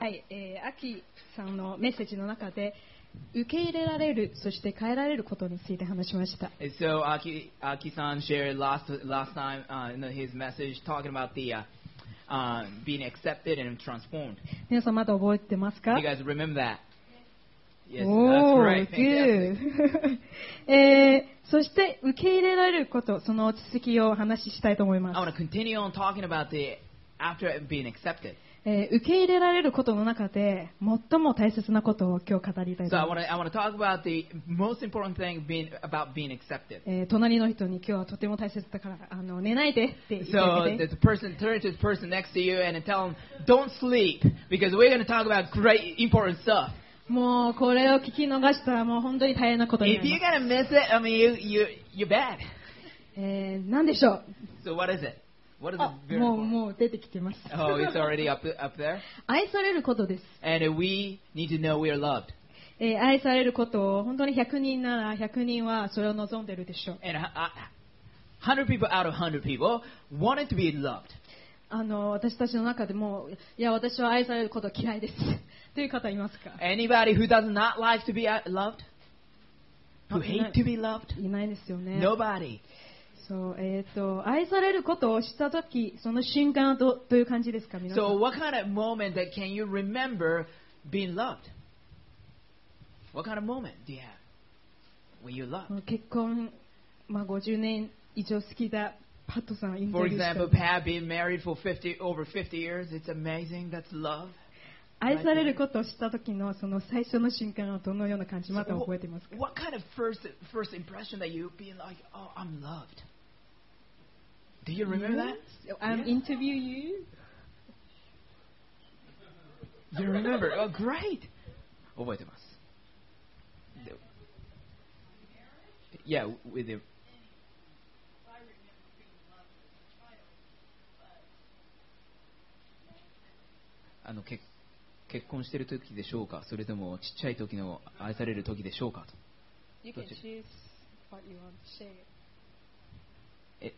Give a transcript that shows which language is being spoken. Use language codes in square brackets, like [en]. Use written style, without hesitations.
[ja] はい、アキさんのメッセージの中で受け入れられる、そして変えられることについて話しました。 [en] So, Aki-san shared last time in his message talking about the being accepted and transformed. [ja] 皆さんまだ覚えてますか? [en] You guys remember that? Yes, that's right. Thank you. [ja] そして受け入れられること、その続きを話したいと思います。 [en] I want to continue on talking about the after being accepted. [ja] 受け入れられることの中で最も大切なことを今日語りたいと思います。 [en] So、I want to talk about the most important thing being, about being accepted. [ja] 隣の人に今日はとても大切だから寝ないでって言 [en] ってて。So the person turn to the person next to you and tell them, don't sleep because we're going to talk about great important stuff. [ja] もうこれを聞き逃したらもう本当に大変なことになります。 [en] If you're going to miss it, I mean, you're bad. [ja] 何でしょう? [en] So what is it? What is [ja] もう出てきてます。 [en] Oh, it's already up there? [ja] 愛されることです。 [en] And we need to know we are loved. [ja] 愛されることを本当に100人なら100人はそれを望んでるでしょう。 [en] And 100 people out of 100 people wanted to be loved. [ja] 私たちの中でも、いや、私は愛されること嫌いです。という方いますか? [en] Anybody who does not like to be loved? Who hate to be loved? [ja] いないですよね。 [en] Nobody. [ja] そう愛されることをしたとき、その瞬間はどういう感じですか、皆さん。 [en] So what kind of moment that can you remember being loved? What kind of moment do you have when you're loved? [ja] 結婚、まあ、50年以上好きだパットさんインタビューした。 [en] For example, Pat being married for 50, over 50 years, it's amazing, that's love. [ja] 愛されることをしたときのその最初の瞬間はどのような感じ、また覚えていますか。 [en] So, what kind of first impression that you being like, oh, I'm loved? Do you remember that? I'm interview you. You remember? Oh, great. [ja] 覚えてます。 [en] Yeah, with him. [ja] あの結婚してる時でしょうか、それともちっちゃい時の愛される時でしょうかと。 [en] You can choose what you want to say.